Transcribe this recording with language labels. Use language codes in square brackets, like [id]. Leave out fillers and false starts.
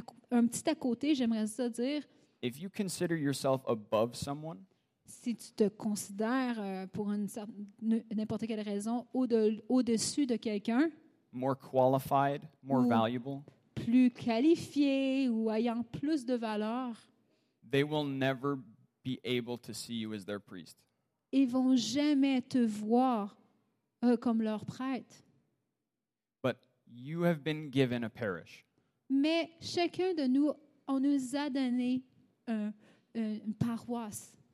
[fr] un petit à côté, j'aimerais ça dire, [en] if you consider yourself above someone. [fr] Si tu te considères pour n'importe quelle raison au-dessus de quelqu'un, [en] more qualified, more valuable, [fr] plus qualifié ou ayant plus de valeur, [en] they will never be able to see you as their priest. [fr] Ils vont jamais te voir comme leur prêtre. [en] But you have been given a parish. [fr] Mais chacun de nous, on nous a donné une paroisse.